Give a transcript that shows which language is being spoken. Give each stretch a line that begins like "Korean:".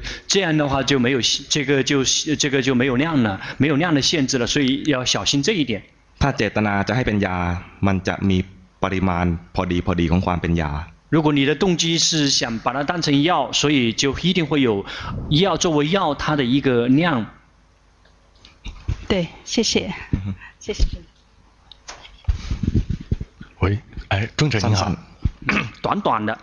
Chinese: 这样的话就没有这个就没有量了，没有量的限制了，所以要小心这一点。
Thai: ถ้าเจตนาจะให้เป็นยามันจะมีปริมาณพอดีของความเป็นยา。
Chinese: 如果你的动机是想把它当成药，所以就一定会有药作为药它的一个量。对，谢谢，谢谢。喂，哎，郑哲你好，短短的。